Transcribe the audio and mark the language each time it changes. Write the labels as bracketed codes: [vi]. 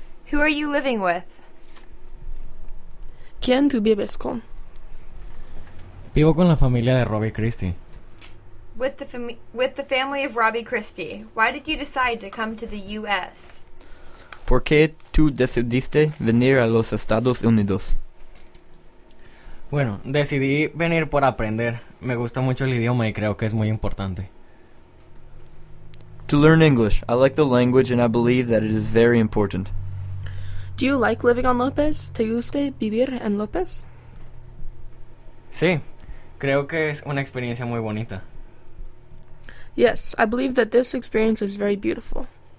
[en] Who are you living with? [es] ¿Quién tú vives con? Vivo con la familia de Robbie Christie. [en] With the family of Robbie Christie. Why did you decide to come to the U.S.? [es] ¿Por qué tú decidiste venir a los Estados Unidos? Bueno, decidí venir por aprender. Me gusta mucho el idioma y creo que es muy importante. [en] To learn English. I like the language and I believe that it is very important. Do you like living on López? [es] ¿Te gusta vivir en López? Sí, creo que es una experiencia muy bonita. [en] Yes, I believe that this experience is very beautiful.